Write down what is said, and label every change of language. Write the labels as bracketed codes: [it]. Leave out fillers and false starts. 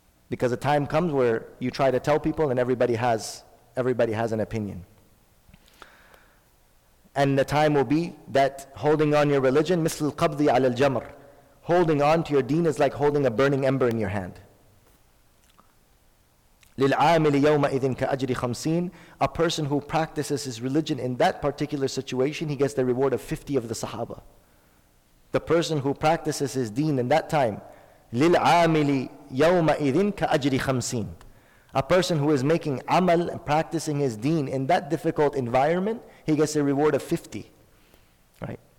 [en] Because a time comes where you try to tell people and everybody has an opinion. And the time will be that holding on your religion, [ar] مثل القبض على الجمر. [en] Holding on to your deen is like holding a burning ember in your hand. [ar] للعامل يومئذ كأجر خمسين. [en] A person who practices his religion in that particular situation, he gets the reward of 50 of the Sahaba. The person who practices his deen in that time, [ar] للعامل يومئذ كأجر خمسين. [en] A person who is making amal and practicing his deen in that difficult environment, he gets a reward of 50. Right?